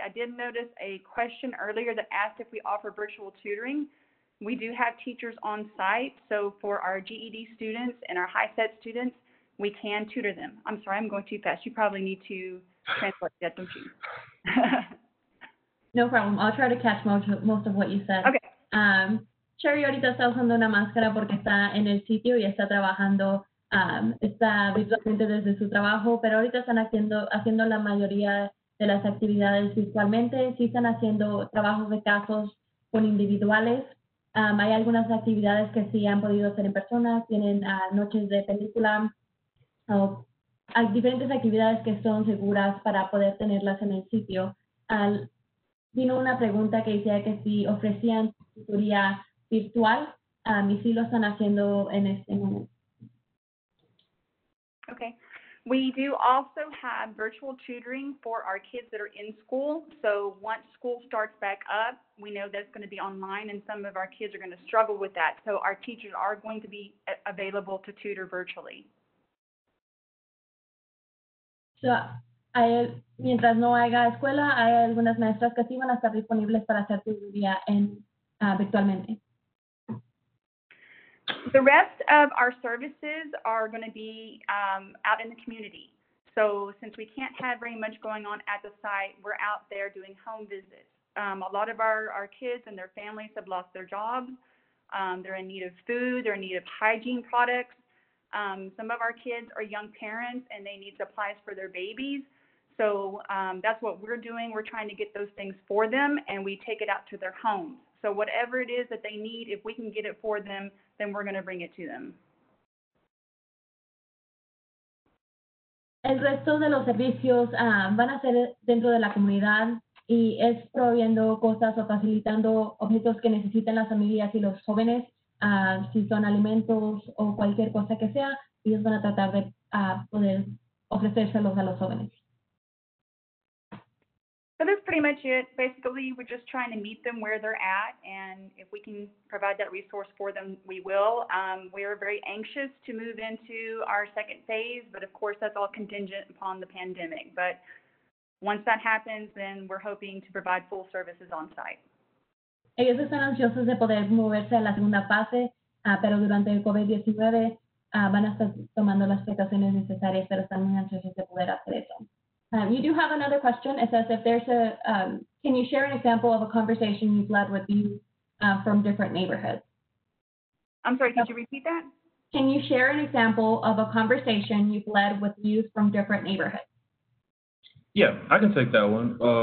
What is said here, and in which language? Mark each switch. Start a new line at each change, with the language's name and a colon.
English: I did notice a question earlier that asked if we offer virtual tutoring. We do have teachers on site. So for our GED students and our high set students, we can tutor them. I'm sorry, I'm going too fast. You probably need to translate that, don't you? No problem. I'll try to catch most of what you said. Okay.
Spanish: Sherry ahorita está usando una máscara porque está en el sitio y está trabajando. Está virtualmente desde su trabajo, pero ahorita están haciendo la mayoría de las actividades virtualmente. Sí están haciendo trabajos de casos con individuales. Hay algunas actividades que sí han podido hacer en persona. Tienen noches de película. Hay diferentes actividades que son seguras para poder tenerlas en el sitio. Vino una pregunta que decía que si ofrecían tutoría virtual, y sí lo están haciendo en este momento.
English: Okay. We do also have virtual tutoring for our kids that are in school. So once school starts back up, we know that's going to be online and some of our kids are going to struggle with that. So our teachers are going to be available to tutor virtually.
Spanish: So, mientras no haya escuela, hay algunas maestras que sí van a estar disponibles para hacer tutoría virtualmente.
English: The rest of our services are going to be out in the community. So since we can't have very much going on at the site, we're out there doing home visits. A lot of our kids and their families have lost their jobs. They're in need of food, they're in need of hygiene products. Some of our kids are young parents and they need supplies for their babies. So that's what we're doing. We're trying to get those things for them and we take it out to their homes. So whatever it is that they need, if we can get it for them, then we're gonna bring it to them.
Spanish: El resto de los servicios van a ser dentro de la comunidad y es proveyendo cosas o facilitando objetos que necesitan las familias y los jóvenes, si son alimentos o cualquier cosa que sea, ellos van a tratar de poder ofrecérselos a los jóvenes.
English: So that's pretty much it. Basically, we're just trying to meet them where they're at, and if we can provide that resource for them, we will. We are very anxious to move into our second phase, but of course, that's all contingent upon the pandemic. But once that happens, then we're hoping to provide full services on site.
Spanish: Ellos están ansiosos de poder moverse a la segunda fase, pero durante el COVID-19 van a estar tomando las precauciones necesarias, pero están muy ansiosos de poder hacer eso.
English: You do have another question. It says if there's a, can you share an example of a conversation you've led with youth from different neighborhoods? I'm sorry, could you repeat that? Can you share an example of a conversation you've led with youth from different neighborhoods? Yeah, I can take that one.